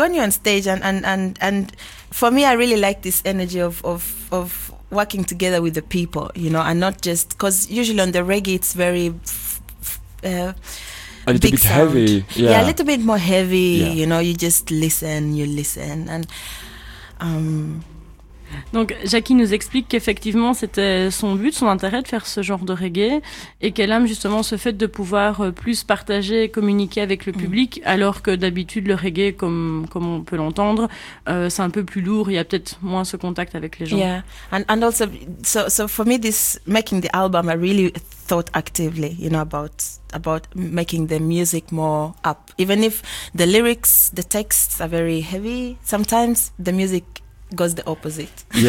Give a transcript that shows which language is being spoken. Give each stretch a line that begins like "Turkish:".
English: When you're on stage, and for me, I really like this energy of working together with the people, you know, and not just, because usually on the reggae, it's very a little big bit sound. Heavy. Yeah. Yeah, a little bit more heavy, you know, you just listen, you listen. And,
French: Donc, Jackie nous explique qu'effectivement, c'était son but, son intérêt de faire ce genre de reggae, et qu'elle aime justement ce fait de pouvoir plus partager et communiquer avec le public, alors que d'habitude, le reggae, comme on peut l'entendre, c'est un peu plus lourd, il y a peut-être moins ce contact avec les gens.
English: Yeah, and also, so for me, this making the album, I really thought actively, you know, about making the music more up. Even if the lyrics, the texts are very heavy, sometimes the music goes the opposite.